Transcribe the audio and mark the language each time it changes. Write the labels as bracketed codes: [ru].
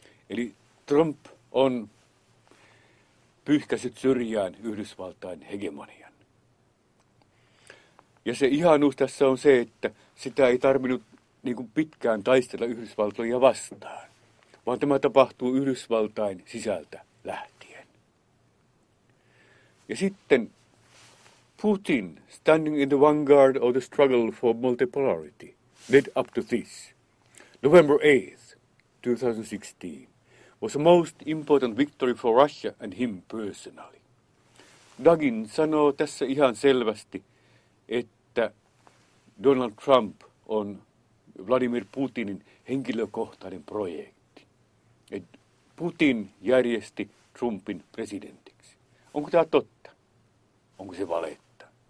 [fi] Eli Trump on pyyhkäsyt syrjään Yhdysvaltain hegemonian. Ja se ihanuus tässä on se, että sitä ei tarvinnut niin kuin pitkään taistella Yhdysvaltoja vastaan, vaan tämä tapahtuu Yhdysvaltain sisältä lähtien. Ja sitten [en] Putin, standing in the vanguard of the struggle for multipolarity, led up to this. November 8th, 2016. Was the most important victory for Russia and him personally. [fi] Dugin sanoo tässä ihan selvästi, että Donald Trump on Vladimir Putinin henkilökohtainen projekti. Et Putin järjesti Trumpin presidentiksi. Onko tämä totta? Onko se valetta?